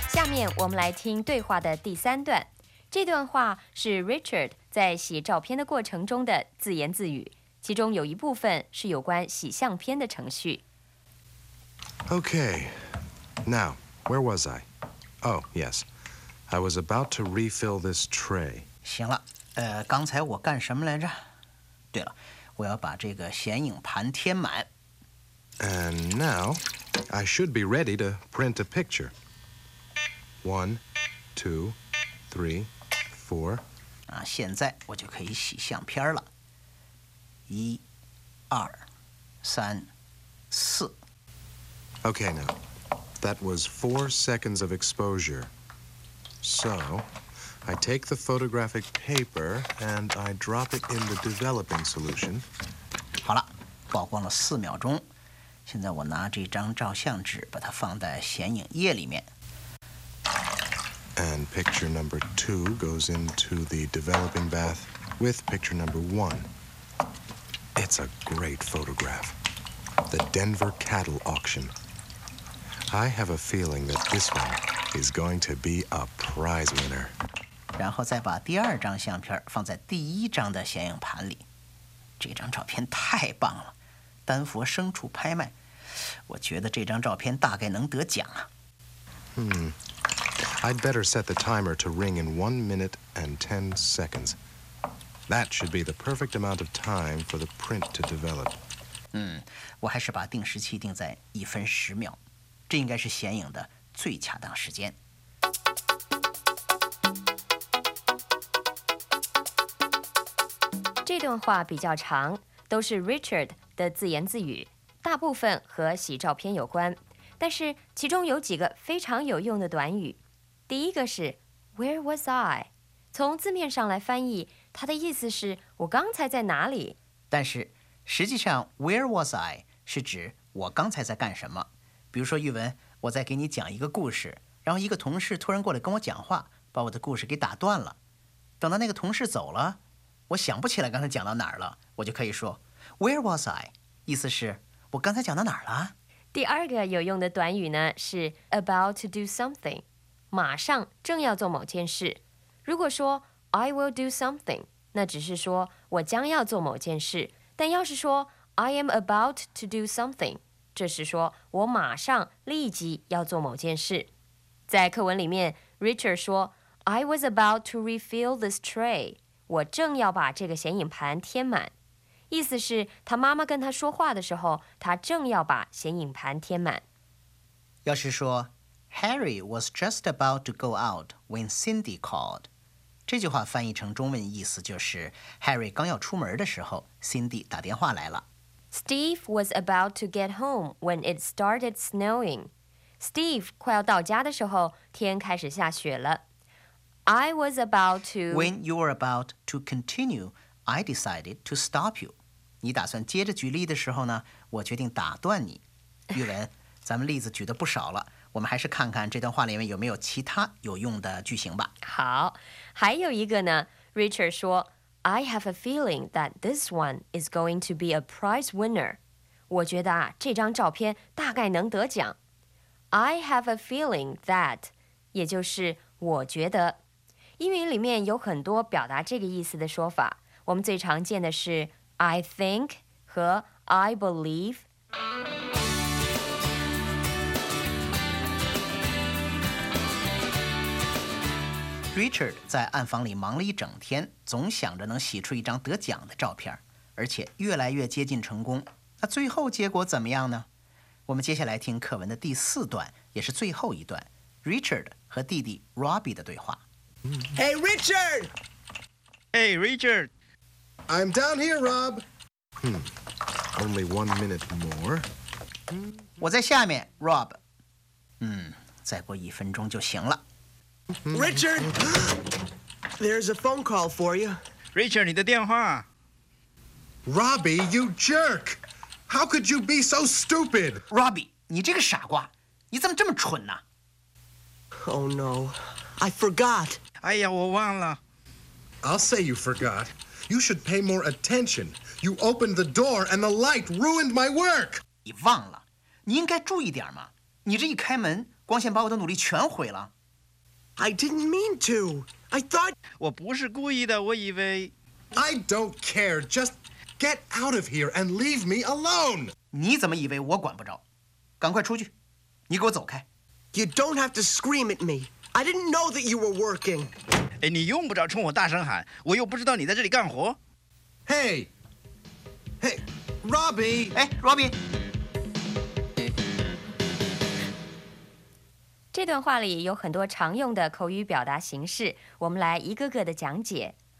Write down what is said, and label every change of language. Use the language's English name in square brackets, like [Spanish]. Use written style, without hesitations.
[Chinese] 面我们来听对话的第三段。这段话是 Richard 在洗照片的过程中的自言自语，其中有一部分是有关洗相片的程序。 [English] Okay, now, where was I? Oh, yes, I was about to refill this tray. [Chinese] 行了，刚才我干什么来着？对了，我要把这个显影盘填满。 [English] And now, I should be ready to print a picture. One, two, three, four. [Chinese] 啊，现在我就可以洗相片了。一、二、三、四。 [English] Okay, now, that was 4 seconds of exposure. So, I take the photographic paper and I drop it in the developing solution. [Chinese] 好了，曝光了4秒钟。现在我拿这张照相纸，把它放在显影液里面。 [English] And picture number two goes into the developing bath with picture number one. It's a great photograph. The Denver cattle auction. I have a feeling that this one is going to be a prize winner. [Chinese] 然后再把第二张相片放在第一张的显影盘里。这张照片太棒了，丹佛牲畜拍卖。我觉得这张照片大概能得奖啊。 [English] I'd better set the timer to ring in 1 minute and 10 seconds. That should be the perfect amount of time for the print to develop. [Chinese] 我还是把定时器定在1分10秒，这应该是显影的最恰当时间。这段话比较长，都是 Richard 的自言自语。大部分和洗照片有关，但是其中有几个非常有用的短语。第一个是 [English] Where was I? [Chinese] 从字面上来翻译，它的意思是我刚才在哪里。但是实际上 [English] Where was I? [Chinese] 是指我刚才在干什么。比如说玉文，我在给你讲一个故事，然后一个同事突然过来跟我讲话，把我的故事给打断了。等到那个同事走了，我想不起来刚才讲到哪儿了，我就可以说 [English] Where was I? [Chinese] 意思是我刚才讲到哪儿了？第二个有用的短语呢是 [English] about to do something， [Chinese] 马上正要做某件事。如果说 [English] I will do something， [Chinese] 那只是说我将要做某件事。但要是说 [English] I am about to do something， [Chinese] 这是说我马上立即要做某件事。在课文里面 ，Richard 说 [English] I was about to refill this tray， [Chinese] 我正要把这个显影盘填满。意思是他妈妈跟他说话的时候，他正要把显影盘填满。要是说 [English] Harry was just about to go out when Cindy called， [Chinese] 这句话翻译成中文意思就是 Harry 刚要出门的时候 ，Cindy 打电话来了。 [English] Steve was about to get home when it started snowing。 [Chinese] Steve 快要到家的时候，天开始下雪了。 [English] I was about to when you were about to continue。 I decided to stop you. [Chinese] 你打算接着举例的时候呢，我决定打断你。玉文，咱们例子举得不少了，我们还是看看这段话里面有没有其他有用的句型吧。好，还有一个呢， [English] Richard [Chinese] 说 [English] I have a feeling that this one is going to be a prize winner. [Chinese] 我觉得啊，这张照片大概能得奖。 [English] I have a feeling that， [Chinese] 也就是我觉得。英语里面有很多表达这个意思的说法，我们最常见的是 [English] I think [Chinese] 和 [English] I believe。 [Chinese] Richard 在暗房里忙了一整天，总想着能洗出一张得奖的照片，而且越来越接近成功。那最后结果怎么样呢？我们接下来听课文的第四段，也是最后一段， Richard 和弟弟 Robbie 的对话。 [English] Hey Richard! Hey Richard! I'm down here, Rob. Only 1 minute more. [Chinese] 我在下面 ，Rob。再过一分钟就行了。 [English] Richard, there's a phone call for you. [Chinese] Richard, 你的电话。 [English] Robbie, you jerk! How could you be so stupid? [Chinese] Robbie, 你这个傻瓜，你怎么这么蠢呢 [English] ？Oh no, I forgot. [Chinese] 哎呀，我忘了。 [English] I'll say you forgot. You should pay more attention. You opened the door and the light ruined my work. [Chinese] 你忘了，你应该注意点嘛。你这一开门，光线把我的努力全毁了。 [English] I didn't mean to. I thought... [Chinese] 我不是故意的，我以为... [English] I don't care. Just get out of here and leave me alone. [Chinese] 你怎么以为我管不着？赶快出去，你给我走开。 [English] You don't have to scream at me. I didn't know that you were working. [Chinese] 哎，你用不着冲我大声喊，我又不知道你在这里干活。 [English] Hey, hey, Robbie. [Chinese] 哎 ，Robbie。这段话里有很多常用的口语表达形式，我们来一个个的讲解。